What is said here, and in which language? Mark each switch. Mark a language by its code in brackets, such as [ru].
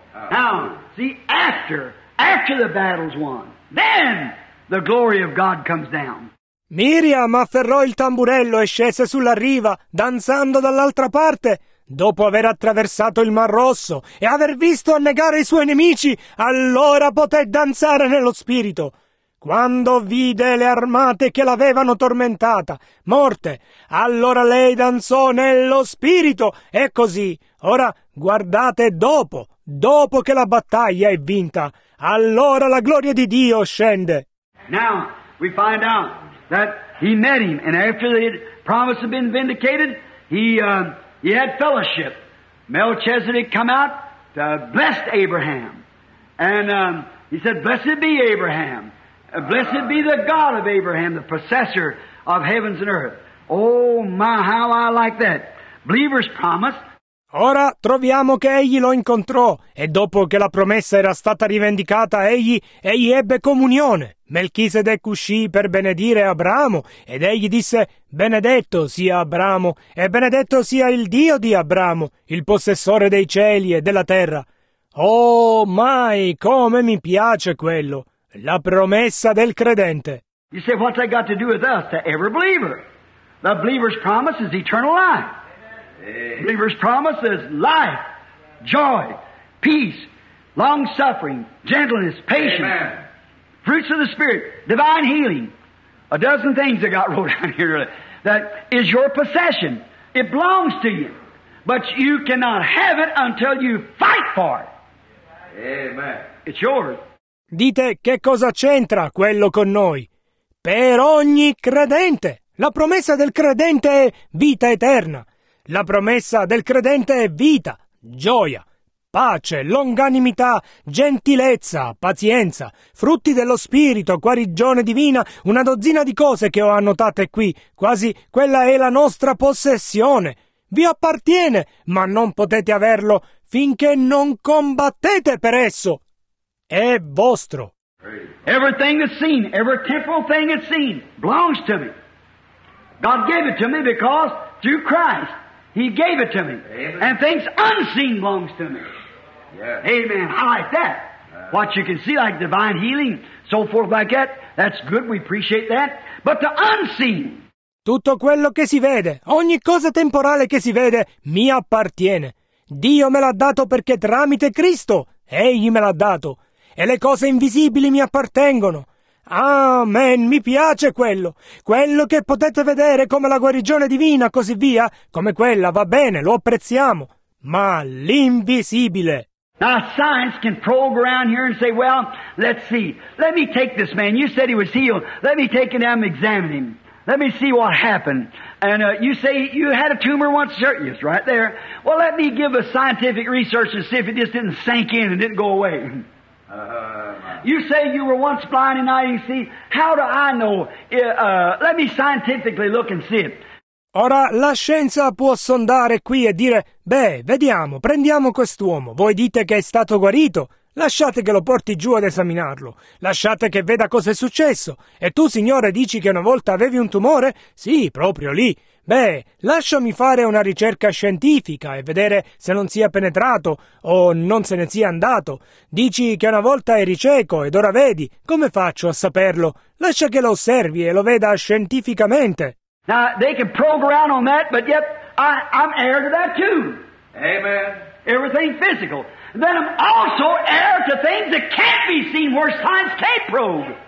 [en] Now, see, after the battle's won, then the glory of God comes down. [it] Miriam afferrò il tamburello e scese sulla riva, danzando dall'altra parte. Dopo aver attraversato il Mar Rosso e aver visto annegare i suoi nemici, allora poté danzare nello spirito. Quando vide le armate che l'avevano tormentata, morte, allora lei danzò nello spirito. E così, ora guardate dopo che la battaglia è vinta, allora la gloria di Dio scende. [en] Now, we find out. That he met him, and after the promise had been vindicated, he had fellowship. Melchizedek come out, blessed Abraham, and he said, blessed be Abraham, blessed be the God of Abraham, the possessor of heavens and earth. Oh my, how I like that. Believer's promise. [it] Ora troviamo che egli lo incontrò, e dopo che la promessa era stata rivendicata, egli ebbe comunione. Melchisedec uscì per benedire Abramo, ed egli disse, benedetto sia Abramo, e benedetto sia il Dio di Abramo, il possessore dei cieli e della terra. Oh, mai, come mi piace quello, la promessa del credente. [en] You say, what's that got to do with us, the ever believer? The believer's promise is eternal life. Believer's promise is life, joy, peace, long-suffering, gentleness, patience, Amen. Fruits of the Spirit, divine healing. A dozen things I got wrote down here that is your possession. It belongs to you, but you cannot have it until you fight for it. Amen. It's yours. [it] Dite, che cosa c'entra quello con noi? Per ogni credente. La promessa del credente è vita eterna. La promessa del credente è vita, gioia, pace, longanimità, gentilezza, pazienza, frutti dello spirito, guarigione divina, una dozzina di cose che ho annotate qui, quasi quella è la nostra possessione. Vi appartiene, ma non potete averlo finché non combattete per esso. è vostro. [en] Everything that's seen, every temporal thing that's seen, belongs to me. God gave it to me because through Christ, He gave it to me. Amen. And things unseen belongs to me. Yes. Amen. I like that. What you can see, like divine healing, so forth like that, that's good, we appreciate that. But the unseen. [it] Tutto quello che si vede, ogni cosa temporale che si vede, mi appartiene. Dio me l'ha dato perché tramite Cristo, Egli me l'ha dato. E le cose invisibili mi appartengono. Amen, mi piace quello. Quello che potete vedere come la guarigione divina, così via, come quella, va bene, lo apprezziamo. Ma l'invisibile. [en] Now, science can probe around here and say, well, let's see. Let me take this man. You said he was healed. Let me take him and examine him. Let me see what happened. And you say you had a tumor once? Sure, yes, right there. Well, let me give a scientific research and see if it just didn't sink in and didn't go away. You say you were once blind and now you see. How do I know? Let me scientifically look and see it. [it] Ora, la scienza può sondare qui e dire, beh, vediamo, prendiamo quest'uomo, voi dite che è stato guarito, lasciate che lo porti giù ad esaminarlo, lasciate che veda cosa è successo, e tu, signore, dici che una volta avevi un tumore? Sì, proprio lì. Beh, lasciami fare una ricerca scientifica e vedere se non sia penetrato o non se ne sia andato. Dici che una volta eri cieco ed ora vedi, come faccio a saperlo? Lascia che lo osservi e lo veda scientificamente. [en] Now, they can probe around on that, but yet I'm heir to that too. Amen. Everything physical. Then I'm also heir to things that can't be seen where science can't probe.